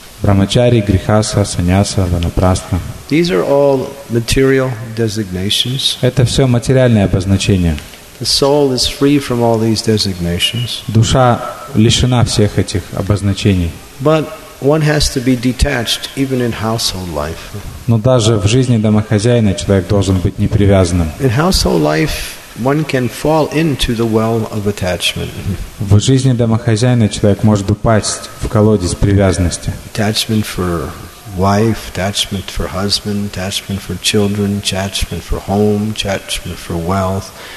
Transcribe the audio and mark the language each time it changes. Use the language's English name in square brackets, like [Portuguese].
[English] Brahmachari, grihastha, sannyasa, vanaprastha. These are all material designations. [Russian] Это все материальные обозначения. [English] The soul is free from all these designations. [Russian] Душа лишена всех этих обозначений. [English] But one has to be detached even in household life. [Russian] Но даже в жизни домохозяина человек должен быть непривязанным. [English] In household life, one can fall into the well of attachment. [Russian] В жизни домохозяина человек может упасть в колодец привязанности. [English] Attachment for wife, attachment for husband, attachment for children, attachment for home, attachment for wealth.